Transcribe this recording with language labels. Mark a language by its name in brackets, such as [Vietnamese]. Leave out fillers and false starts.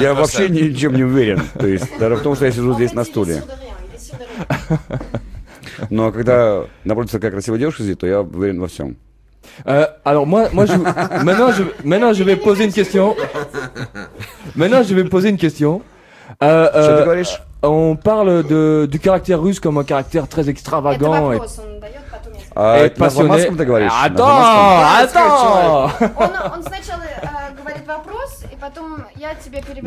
[Russian] Я вообще ничем не уверен. То есть, даже в том, что я сижу здесь на стуле. Но когда напротив такая красивая девушка сидит, то я уверен во всем. [French] Alors moi je... Maintenant, je vais poser une question. [Russian] Что ты говоришь? [French] On parle du caractère russe comme un caractère très extravagant. [Russian] Это вопрос, [French] Et passionné. [Russian] На ромском ты говоришь? [French] Attends! [Russian] Он сначала говорит вопрос, и потом я тебе переберу,